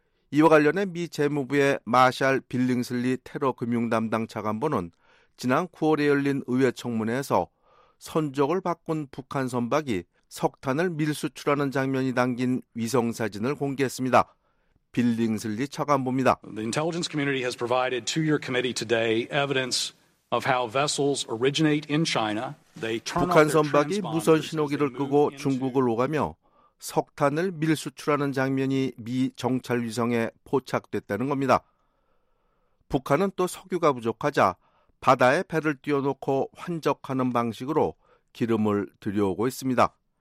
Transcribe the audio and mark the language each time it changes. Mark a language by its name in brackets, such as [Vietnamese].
[Korean] 이와 관련해 미 재무부의 마샬 빌링슬리 테러 금융 담당 차관보는 지난 9월에 열린 의회 청문회에서 선적을 바꾼 북한 선박이 석탄을 밀수출하는 장면이 담긴 위성사진을 공개했습니다. 빌링슬리 차관보입니다. [English] The intelligence community has provided to your committee today evidence of how vessels originate in China. They turn off their [Korean] 북한 선박이 무선 신호기를 끄고 중국을 오가며 석탄을 밀수출하는 장면이 미 정찰 위성에 포착됐다는 겁니다. 북한은 또 석유가 부족하자 바다에 배를 띄워놓고 환적하는 방식으로 기름을 들여오고 있습니다.